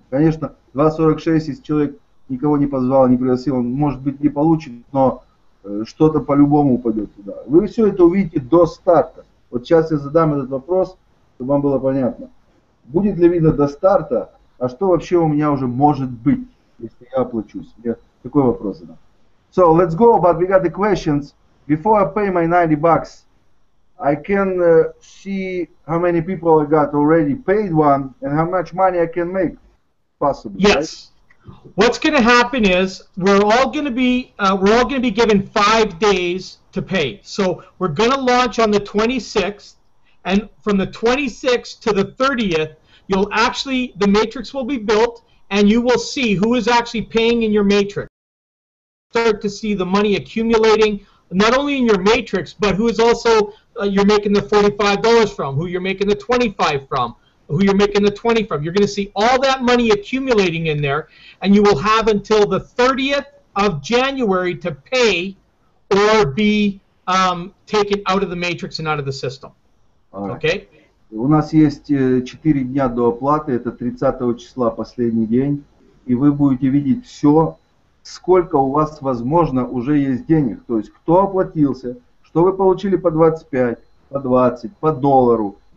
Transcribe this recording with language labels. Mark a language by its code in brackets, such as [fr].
[ru] Конечно, 2.46, если человек никого не позвал, не пригласил, он, может быть, не получит, но что-то по-любому упадет туда. Вы все это увидите до старта. Вот сейчас я задам этот вопрос, чтобы вам было понятно. Будет ли видно до старта, а что вообще у меня уже может быть, если я оплачусь? Я такой вопрос задам. [en] So, let's go, but we got the questions. Before I pay my $90... I can see how many people I got already paid one and how much money I can make, possibly. Yes. Right? What's going to happen is we're all going to be given 5 days to pay. So we're going to launch on the 26th, and from the 26th to the 30th, you'll actually the matrix will be built, and you will see who is actually paying in your matrix. Start to see the money accumulating, not only in your matrix, but who is also you're making the $45 from, who you're making the $25 from, who you're making the $20 from. You're going to see all that money accumulating in there, and you will have until the 30th of January to pay or be taken out of the matrix and out of the system. Right. Okay? [ru] У нас есть 4 дня до оплаты, это 30 числа, последний день, и вы будете видеть все, сколько у вас, возможно, уже есть денег. То есть, кто оплатился, что вы получили по 25, по 20, по доллару.